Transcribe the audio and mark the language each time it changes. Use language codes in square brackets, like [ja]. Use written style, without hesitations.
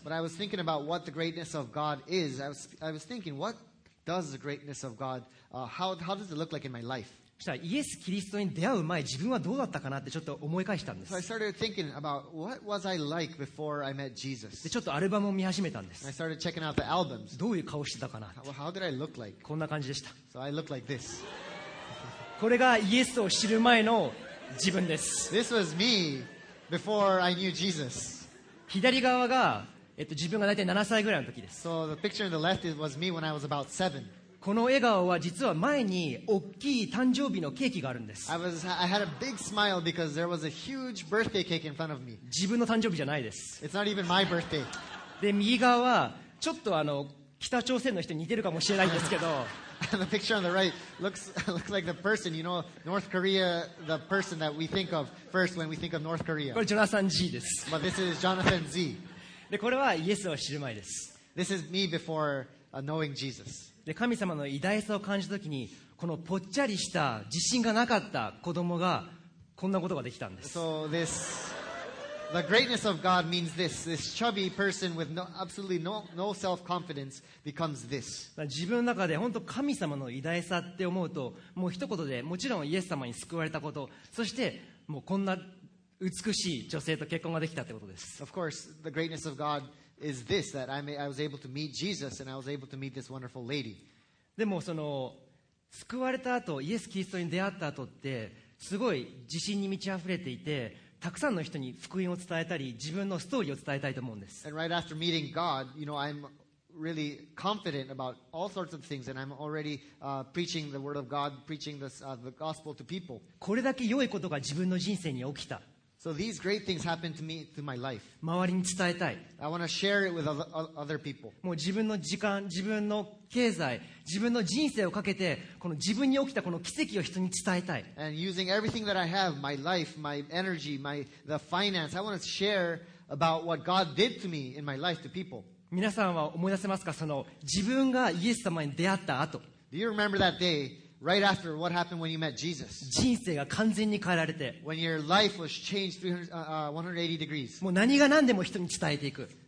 [en] But I was thinking about what the greatness of God is. I was thinking, what does the greatness of God, how does it look like in my life? [ja] そしたらイエス・キリストに出会う前、自分はどうだったかなってちょっと思い返したんです。 [en] So I started thinking about what was I like before I met Jesus. [ja] でちょっとアルバムを見始めたんです。 [en] And I started checking out the albums. [ja] どういう顔してたかな。 [en] How did I look like? [ja] こんな感じでした。 [en] So I looked like this. [ja] これがイエスを知る前の自分です。 [en] This was me before I knew Jesus. [ja] 左側が、自分が大体7歳ぐらいの時です。 [en] So the picture on the left was me when I was about 7. [ja] この笑顔は実は前に大きい誕生日のケーキがあるんです。 [en] I had a big smile because there was a huge birthday cake in front of me. [ja] 自分の誕生日じゃないです。 [en] It's not even my birthday. [ja] で、右側はちょっと北朝鮮の人に似てるかもしれないんですけど、 [en] The picture on the right looks like the person, you know, North Korea, the person that we think of first when we think of North Korea. [ja] これジョナサン G です。 [en] But this is Jonathan Z. [ja] で、これはイエスを知る前です。 [en] This is me before knowing Jesus. [ja] で、神様の偉大さを感じたときに、このぽっちゃりした自信がなかった子供がこんなことができたんです。 [en] So this, the greatness of God means this. This chubby person with no, absolutely no, no self-confidence becomes this. [ja] 自分の中で本当神様の偉大さって思うと、もう一言でもちろんイエス様に救われたこと、そしてもうこんな美しい女性と結婚ができたってことです。 [en] Of course, the greatness of God is this, that I was able to meet Jesus and I was able to meet this wonderful lady. [ja] でもその救われた後、イエス・キリストに出会った後ってすごい自信に満ち溢れていて、たくさんの人に福音を伝えたり自分のストーリーを伝えたいと思うんです。 [en] And right after meeting God, you know, I'm really confident about all sorts of things and I'm already preaching the word of God, preaching this, the gospel to people. [ja] これだけ良いことが自分の人生に起きた。 [en] So these great things happened to me through my life. [ja] 周りに伝えたい。 [en] I want to share it with other people. [ja] もう自分の時間、自分の経済、自分の人生をかけて、この自分に起きたこの奇跡を人に伝えたい。 [en] And using everything that I have, my life, my energy, the finance, I want to share about what God did to me in my life to people. [ja] 皆さんは思い出せますか？その自分がイエス様に出会った後。 [en] Do you remember that day, right after what happened when you met Jesus? [ja] 人生が完全に変えられて。 [en] When your life was changed 180 degrees. [ja] もう何が何でも人に伝えていく。